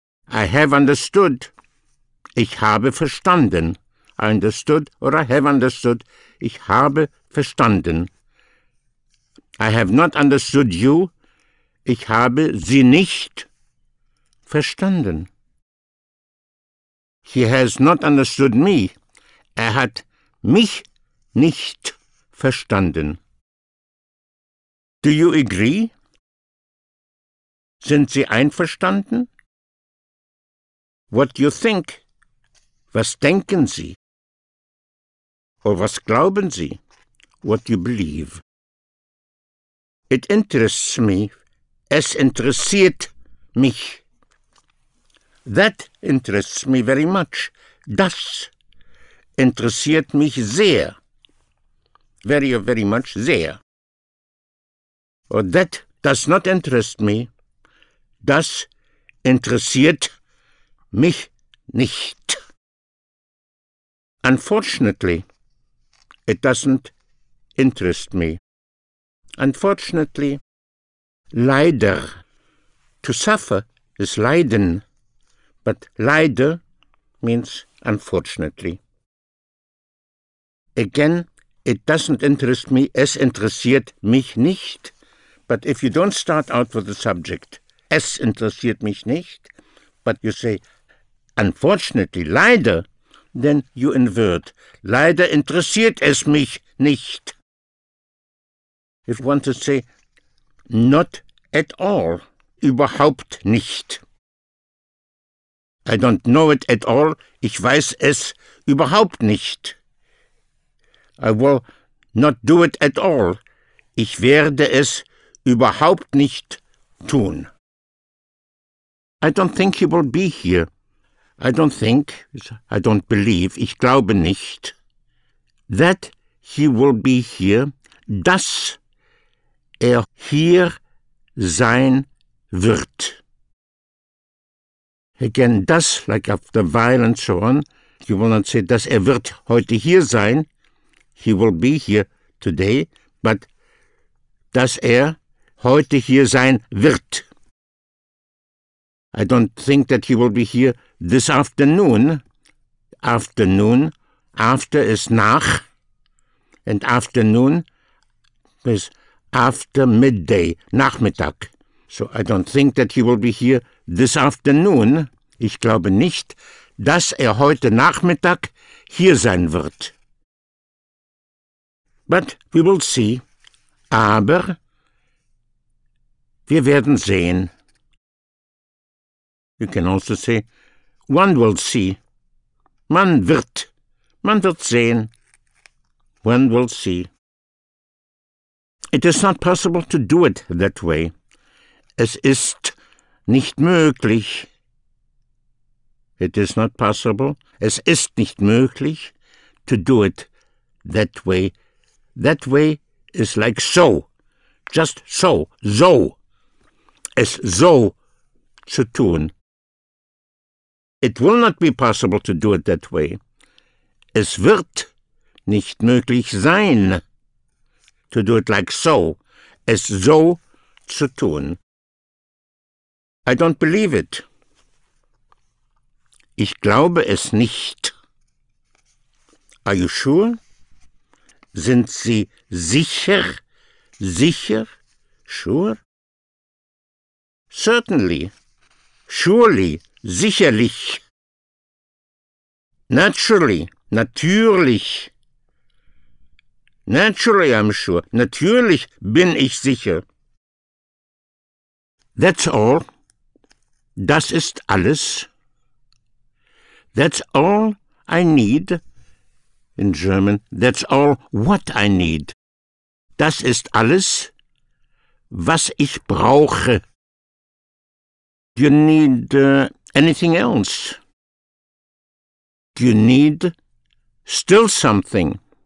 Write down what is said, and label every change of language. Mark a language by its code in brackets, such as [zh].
[en] I have understood, [de] ich habe verstanden. [en] I understood or I have understood, [de] ich habe verstanden. [en] I have not understood you, [de] ich habe sie nicht verstanden. [en] He has not understood me. [de] Er hat mich nicht verstanden. [en] Do you agree? [de] Sind Sie einverstanden? [en] What do you think? [de] Was denken Sie? [en] Or [de] was glauben Sie? [en] What do you believe? It interests me. [de] Es interessiert mich. [en] That interests me very much. [de] Das interessiert mich sehr. [en] Very or very much, sehr. Or that does not interest me. [de] Das interessiert mich nicht. [en] Unfortunately, it doesn't interest me. Unfortunately, leider. To suffer is leiden. But leider means unfortunately. Again, it doesn't interest me, [de] es interessiert mich nicht. [en] But if you don't start out with the subject, [de] es interessiert mich nicht, [en] but you say, unfortunately, leider, then you invert. [de] Leider interessiert es mich nicht. [en] If you want to say, not at all, [de] überhaupt nicht. [en] I don't know it at all. [de] Ich weiß es überhaupt nicht. [en] I will not do it at all. [de] Ich werde es überhaupt nicht tun. [en] I don't think he will be here. I don't think, I don't believe, [de] ich glaube nicht. [en] That he will be here, [de] dass er hier sein wird. [en] Again, das, like after a while and so on, you will not say, [de] dass er wird heute hier sein, [en] he will be here today, but [de] dass er heute hier sein wird. [en] I don't think that he will be here this afternoon. Afternoon, after is nach, and afternoon is after midday, Nachmittag. So I don't think that he will be here this afternoon. [de] Ich glaube nicht, dass er heute Nachmittag hier sein wird. [en] But we will see. [de] Aber wir werden sehen. [en] You can also say, one will see. [de] Man wird sehen. [en] One will see. It is not possible to do it that way. [de] Es ist nicht möglich. [en] It is not possible, [de] es ist nicht möglich, [en] to do it that way. That way is like so, just so, so, [de] es so zu tun. [en] It will not be possible to do it that way. [de] Es wird nicht möglich sein, [en] to do it like so, [de] es so zu tun. [en] I don't believe it. [de] Ich glaube es nicht. [en] Are you sure? [de] Sind Sie sicher? Sicher? [en] Sure? Certainly. Surely. [de] Sicherlich. [en] Naturally. [de] Natürlich. [en] Naturally, I'm sure. [de] Natürlich bin ich sicher. [en] That's all. [de] Das ist alles. [en] That's all I need. In German, that's all what I need. [de] Das ist alles, was ich brauche. [en] Do you need anything else? Do you need still something?